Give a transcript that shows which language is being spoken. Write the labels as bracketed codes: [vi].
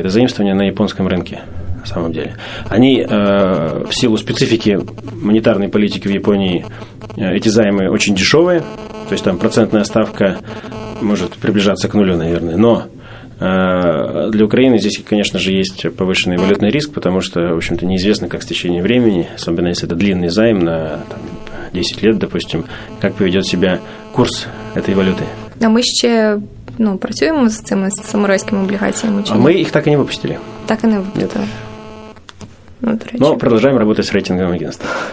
[ru] Это заимствование на японском рынке. На самом деле. Они в силу специфики монетарной политики в Японии, эти займы очень дешевые, то есть там процентная ставка может приближаться к нулю, наверное, но для Украины здесь, конечно же, есть повышенный валютный риск, потому что, в общем-то, неизвестно, как с течением времени, особенно если это длинный займ на 10 лет, допустим, как поведет себя курс этой валюты. А мы еще [uk] працюємо з цими самурайськими облігаціями? А ми їх так і не випустили. Так і не випустили. [ru] Но продолжаем работать с рейтинговым агентством.